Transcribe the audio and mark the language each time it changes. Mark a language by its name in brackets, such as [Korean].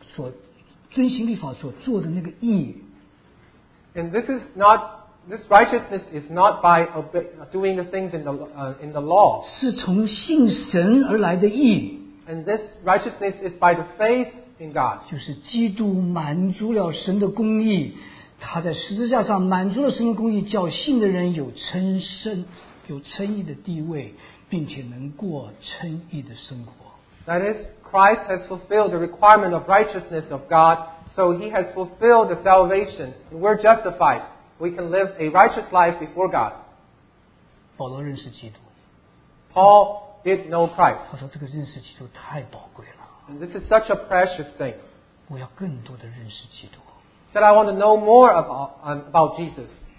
[Chinese] 这个不是出于我的跟自己的义，按照律法所遵行律法所做的那个义。 [English] And this righteousness is not by doing the things in the law. [Chinese] 是从信神而来的义。 [English] And this righteousness is by the faith in God. [Chinese] 就是基督满足了神的公义。他在十字架上满足了神的公义，叫信的人有称义的地位，并且能过称义的生活。 [English] That is, Christ has fulfilled the requirement of righteousness of God, so he has fulfilled the salvation. We're justified. We can live a righteous life before God. [Chinese] 保罗认识基督。Paul [English] did know Christ. [Chinese] 他说这个认识基督太宝贵了。 [English] And this is such a precious thing. [Chinese] 我要更多的认识基督。 [English] Said, I want to know more about Jesus.